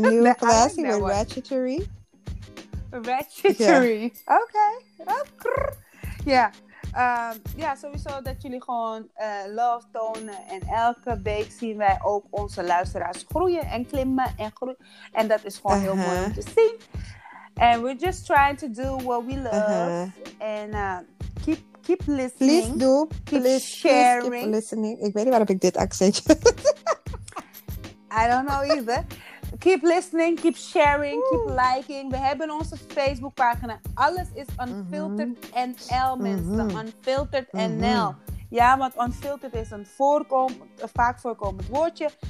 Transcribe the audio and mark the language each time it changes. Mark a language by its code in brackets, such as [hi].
[nl] nieuwe klas. Ratchetry. Ratchetry. Yeah. Oké. Okay. Ja. Ja, sowieso dat jullie gewoon love tonen. En elke week zien wij ook onze luisteraars groeien en klimmen en groeien. En dat is gewoon heel mooi om te zien. [en] And we're just trying to do what we love. And keep listening. Please do. Please keep listening. [nl] Ik weet niet waarom ik dit accentje. [en] I don't know either. Keep listening, keep sharing, keep liking. [nl] We hebben onze Facebookpagina. Alles is Unfiltered NL, mensen. Unfiltered NL. Ja, want unfiltered is een vaak voorkomend woordje.